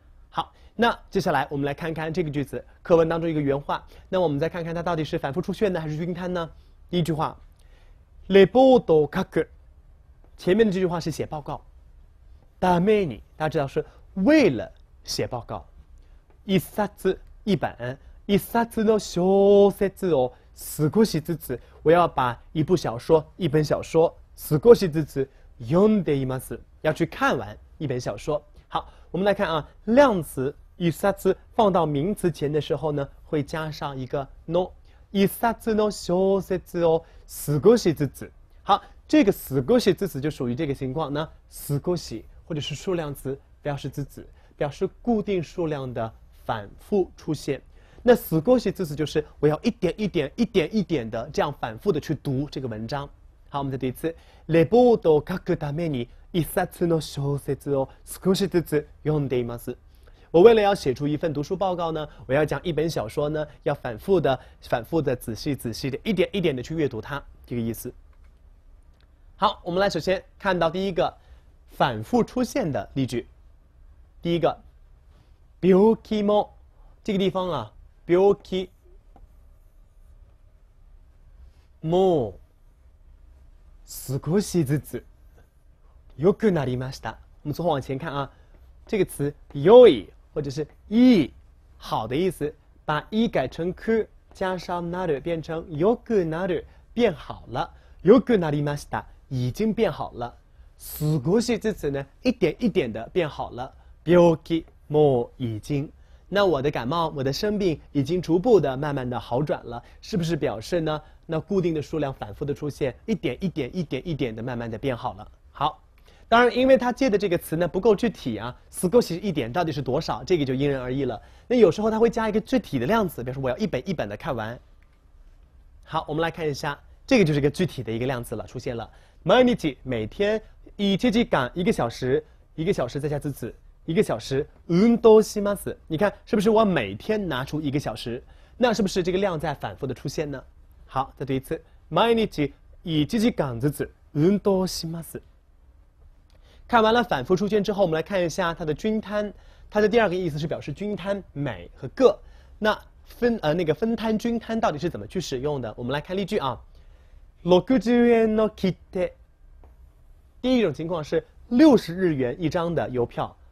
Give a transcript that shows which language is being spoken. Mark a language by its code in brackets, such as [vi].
[zh] 好，那接下来我们来看看这个句子课文当中一个原话，那我们再看看它到底是反复出现呢还是均摊呢。第一句话， [ja] レポートを書く， [zh] 前面的这句话是写报告， [ja] ために [zh] 大家知道是为了写报告， [ja] 一冊一本，一冊の小説を少しずつ， [zh] 我要把一部小说、一本小说 [ja] 少しずつ読んでいます， [zh] 要去看完一本小说。好，我们来看啊，量词一冊放到名词前的时候呢，会加上一个の， [ja] 一冊の小説を少しずつ。 [zh] 好，这个少しずつ就属于这个情况呢，少し或者是数量词表示ずつ，表示固定数量的反复出现。那少し字词就是我要一点一点一点一点的这样反复的去读这个文章。好，我们再读一次。 [ja] レポートを書くために一冊の小説を少しずつ読んでいます。 [zh] 我为了要写出一份读书报告呢，我要将一本小说呢，要反复的、反复的、仔细、仔细的、一点一点的去阅读它，这个意思。好，我们来首先看到第一个反复出现的例句。第一个， [ja] 病気も， [zh] 这个地方啊， [ja] 病気も少しずつ良くなりました。 [zh] 我们从后往前看啊，这个词良い或者是いい，好的意思，把いい改成く，加上なる变成良くなる，变好了。 [ja] 良くなりました， [zh] 已经变好了。少しずつ呢，一点一点的变好了。病気も已经，那我的感冒，我的生病已经逐步的、慢慢的好转了，是不是表示呢？那固定的数量反复的出现，一点一点、一点一点的慢慢的变好了。好，当然，因为他借的这个词呢不够具体啊，少し一点到底是多少，这个就因人而异了。那有时候他会加一个具体的量词，比如说我要一本一本的看完。好，我们来看一下，这个就是一个具体的一个量词了，出现了。毎日每天一時間一个小时，一个小时再加字词。一个小时，運動します。你看，是不是我每天拿出一个小时？那是不是这个量在反复的出现呢？好，再读一次， [ja] 毎日一時間ずつ運動します。 [zh] 看完了反复出现之后，我们来看一下它的均摊。它的第二个意思是表示均摊每和个。那分那个分摊均摊到底是怎么去使用的？我们来看例句啊。 [ja] 六十円の切手。 [zh] 第一种情况是60日元一张的邮票。